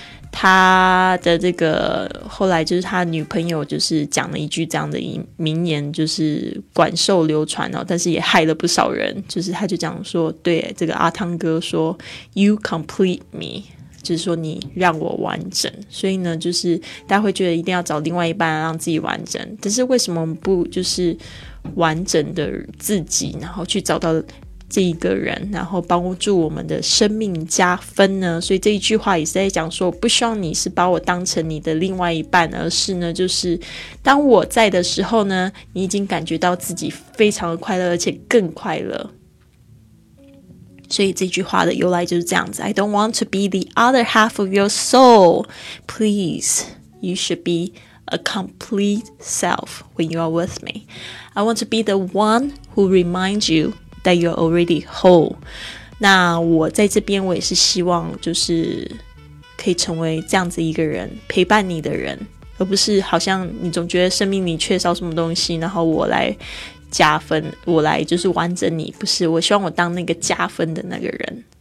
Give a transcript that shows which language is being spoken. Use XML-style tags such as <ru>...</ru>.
<zh>他的这个后来就是他女朋友就是讲了一句这样的名言，就是广受流传哦，但是也害了不少人，就是他就讲说对这个阿汤哥说</zh> <en>You complete me,</en> <zh>就是说你让我完整，所以呢就是大家会觉得一定要找另外一半让自己完整，但是为什么不就是完整的自己然后去找到这一个人然后帮助我们的生命加分呢？所以这一句话也是在讲说不希望你是把我当成你的另外一半，而是呢就是当我在的时候呢你已经感觉到自己非常的快乐而且更快乐，所以这句话的由来就是这样子。</zh> <en>I don't want to be the other half of your soul, please, you should beA complete self when you are with me. I want to be the one who reminds you that you're already whole.</en> <zh>那我在这边我也是希望就是可以成为这样子一个人，陪伴你的人，而不是好像你总觉得生命里缺少什么东西，然后我来加分，我来就是完整你，不是，我希望我当那个加分的那个人。</zh>